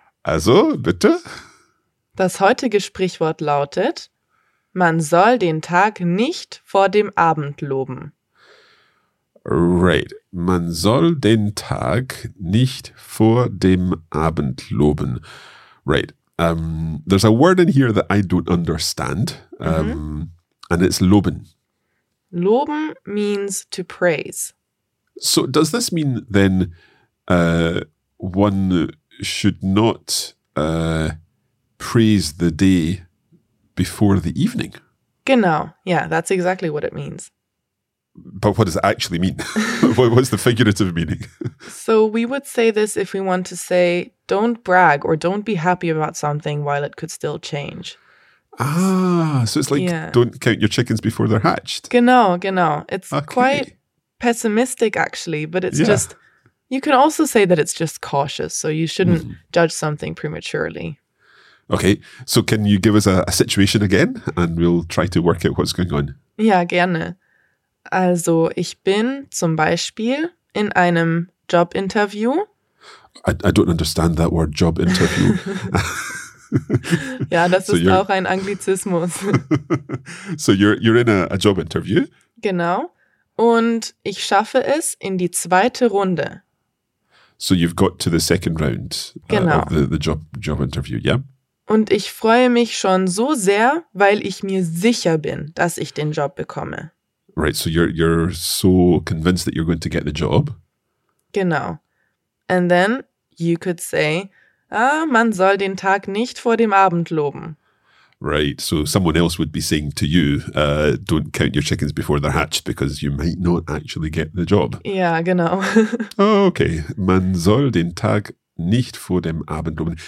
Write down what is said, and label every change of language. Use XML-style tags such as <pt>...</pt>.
<de>Also, bitte? Das heutige Sprichwort lautet: Man soll den Tag nicht vor dem Abend loben.</de> <en>Right.</en> <de>Man soll den Tag nicht vor dem Abend loben.</de> <en>Right. There's a word in here that I don't understand. And it's loben. Loben means to praise. So does this mean then one should not praise the day before the evening? Genau. Yeah, that's exactly what it means. But what does it actually mean? What's the figurative meaning? So we would say this if we want to say, don't brag or don't be happy about something while it could still change. Ah, so it's like, Don't count your chickens before they're hatched.</en> <de>Genau, genau.</de> <en>It's okay. Quite pessimistic, actually, but it's just, you can also say that it's just cautious, so you shouldn't judge something prematurely. Okay, so can you give us a situation again and we'll try to work out what's going on? Yeah, gerne.</en> <de>Also, ich bin zum Beispiel in einem Jobinterview.</de> <en>I don't understand that word, job interview.</en> <de>Ja, das so ist auch ein Anglizismus.</de> <en>So you're in a job interview. Genau.</en> <de>Und ich schaffe es in die zweite Runde.</de> <en>So you've got to the second round of the job interview, yeah?</en> <de>Und ich freue mich schon so sehr, weil ich mir sicher bin, dass ich den Job bekomme.</de> <en>Right, so you're so convinced that you're going to get the job.</en> <de>Genau.</de> <en>And then you could say,</en> <de>man soll den Tag nicht vor dem Abend loben.</de> <en>Right, so someone else would be saying to you, don't count your chickens before they're hatched, because you might not actually get the job. Yeah, genau.</en> <de>Okay, man soll den Tag nicht vor dem Abend loben.</de>